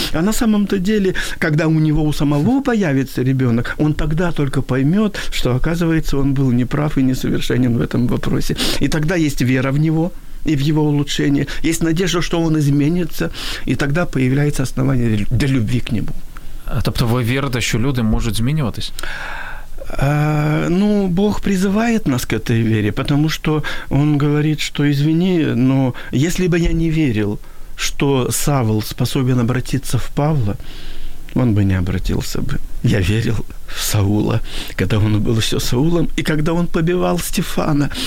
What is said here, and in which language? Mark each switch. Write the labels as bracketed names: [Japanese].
[Russian] А на самом-то деле, когда у него у самого появится ребенок, он тогда только поймет, что, оказывается, он был неправ и несовершенен в этом вопросе. И тогда есть вера в него и в его улучшение. Есть надежда, что он изменится. И тогда появляется основание для любви к нему. [Ukrainian] А, тобто ви вірите, що люди можуть змінюватися? [Russian] Ну, Бог призывает нас к этой вере, потому что он говорит, что извини, но если бы я не верил, что Савл способен обратиться в Павла, он бы не обратился бы. Я верил в Саула, когда он был еще Саулом, и когда он побивал Стефана.